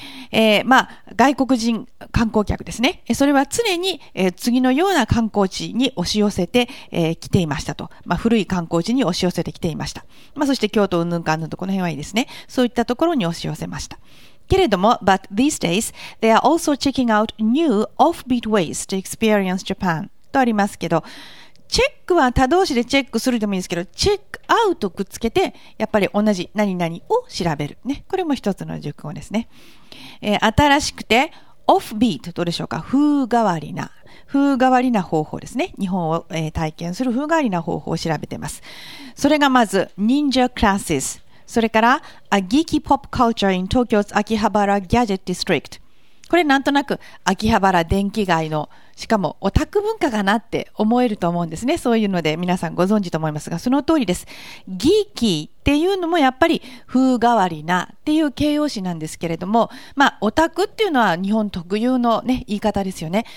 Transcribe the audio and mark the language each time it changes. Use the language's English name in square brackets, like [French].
[Japanese] 外国人観光客ですね、それは常に、次のような観光地に押し寄せてき、ていましたと、古い観光地に押し寄せてきていました、そして京都うぬんかんぬんと、この辺はいいですね、そういったところに押し寄せましたけれども、 [English] But these days they are also checking out new offbeat ways to experience Japan [Japanese] とありますけど、チェックは他動詞でチェックするでもいいですけど、チェックアウトくっつけて、やっぱり同じ何々を調べるね、これも一つの熟語ですね。新しくてオフビート、どうでしょうか、風変わりな方法ですね。日本を、体験する風変わりな方法を調べてます。それがまず [English] Ninja Classes、 [Japanese] それから [English] A Geeky Pop Culture in Tokyo's Akihabara Gadget District。 [Japanese] これなんとなく秋葉原電気街の、しかもオタク文化かなって思えると思うんですね。そういうので皆さんご存知と思いますが、その通りです。ギーキーっていうのもやっぱり風変わりなっていう形容詞なんですけれども、オタクっていうのは日本特有の、ね、言い方ですよね。